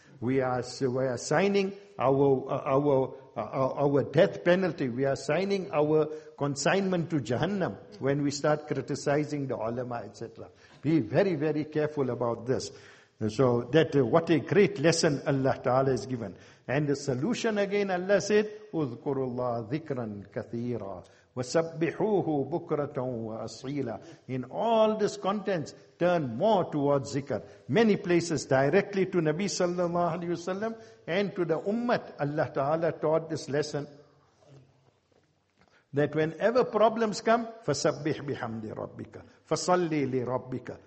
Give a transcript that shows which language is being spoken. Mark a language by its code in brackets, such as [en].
[en] We are signing our death penalty. We are signing our consignment to Jahannam when we start criticizing the ulama, etc. Be very, very careful about this. So that what a great lesson Allah Ta'ala has given. And the solution again, Allah said, [ar] اُذْكُرُ اللَّهَ ذِكْرًا كَثِيرًا وَسَبِّحُوهُ بُكْرَةً وَأَصِيلًا. [en] In all these contents, turn more towards zikr. Many places directly to Nabi sallallahu alayhi wa sallam and to the ummah, Allah Ta'ala taught this lesson, that whenever problems come, [ar] فَسَبِّحْ بِحَمْدِ رَبِّكَ فَصَلِّ لِرَبِّكَ.